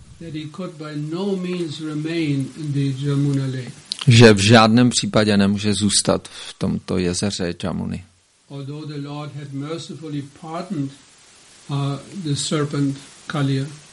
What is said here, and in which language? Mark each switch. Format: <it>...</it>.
<en>that he could by no means remain in the Jamuna Lake.</en> <cs>Že v žádném případě nemůže zůstat v tomto jezeře Jamuny.</cs> <en>Although the Lord had mercifully pardoned the serpent Kaliya.</en>